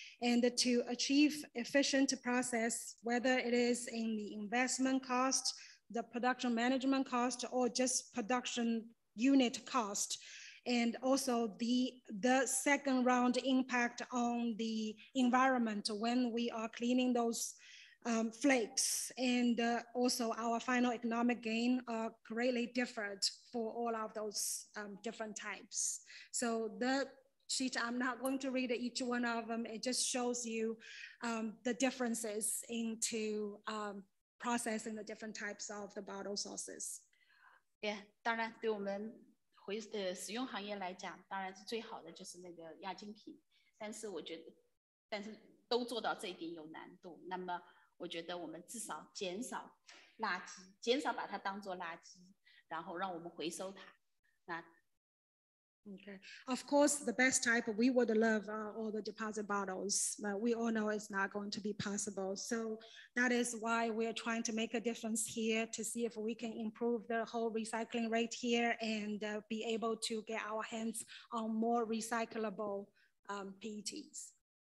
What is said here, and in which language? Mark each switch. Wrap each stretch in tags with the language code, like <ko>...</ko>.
<en>And to achieve efficient process, whether it is in the investment cost, the production management cost, or just production unit cost, and also the second round impact on the environment when we are cleaning those flakes, and also our final economic gain are greatly different for all of those different types. So the sheet, I'm not going to read each one of them, it just shows you the differences into processing the different types of the bottle sources.</en> <zh>Yeah, 当然对我们使用行业来讲，当然是最好的就是那个亚精品，但是我觉得，但是都做到这一点有难度，那么 我觉得我们至少减少垃圾，减少把它当做垃圾，然后让我们回收它。那，Okay,</zh> <en>of course, the best type we would love are all the deposit bottles, but we all know it's not going to be possible. So that is why we are trying to make a difference here to see if we can improve the whole recycling rate here and be able to get our hands on more recyclable PETs.</en>